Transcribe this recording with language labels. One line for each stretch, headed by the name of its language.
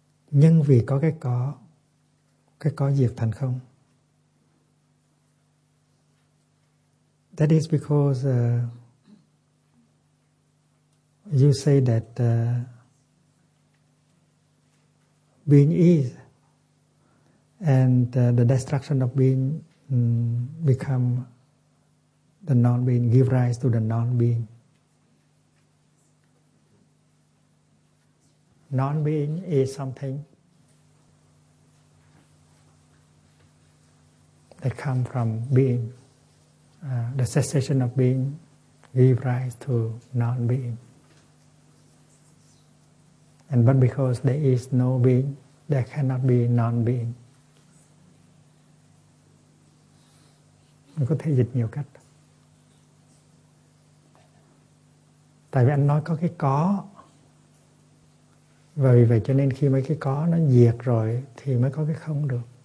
Vietnamese: Nhưng vì có cái có diệt thành không.
English: That is because you say that being is, and the destruction of being become the non-being, give rise to the non-being. Non-being is something that come from being. The cessation of being give rise to non-being. And but because there is no being, there cannot be non-being.
Vietnamese: Mình có thể dịch nhiều cách. Tại vì anh nói có cái có. Và vì vậy cho nên khi mấy cái có nó diệt rồi thì mới có cái không được.